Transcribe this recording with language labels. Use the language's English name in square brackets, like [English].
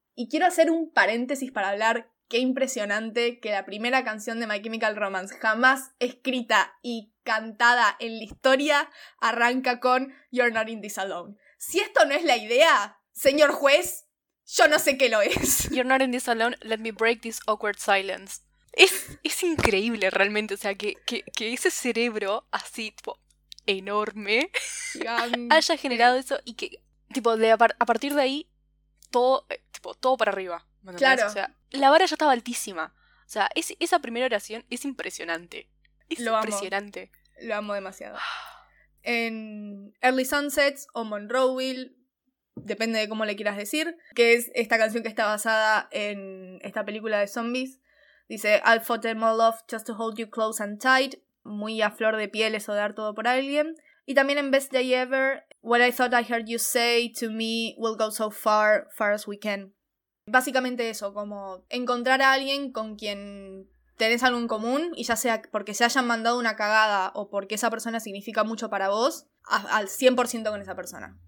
[Spanish] Y quiero hacer un paréntesis para hablar. Qué impresionante que la primera canción de My Chemical Romance jamás escrita y cantada en la historia arranca con You're Not In This Alone. Si esto no es la idea, señor juez, yo no sé qué lo es. [English] You're Not In This Alone, let me break this awkward silence. [Spanish] Es increíble realmente, o sea, que ese cerebro así, tipo, enorme, haya generado eso y que, tipo, a partir de ahí, todo, tipo, todo para arriba. Claro. O sea, la vara ya estaba altísima. O sea, esa primera oración es impresionante. Impresionante. Lo amo demasiado. En Early Sunsets o Monroeville, depende de cómo le quieras decir, que es esta canción que está basada en esta película de zombies. Dice, [English] I fought them all off just to hold you close and tight. [Spanish] Muy a flor de piel eso de dar todo por alguien. Y también en [English] Best Day Ever, What I thought I heard you say to me will go so far, far as we can. [Spanish] Básicamente eso, como encontrar a alguien con quien tenés algo en común y ya sea porque se hayan mandado una cagada o porque esa persona significa mucho para vos, al 100% con esa persona.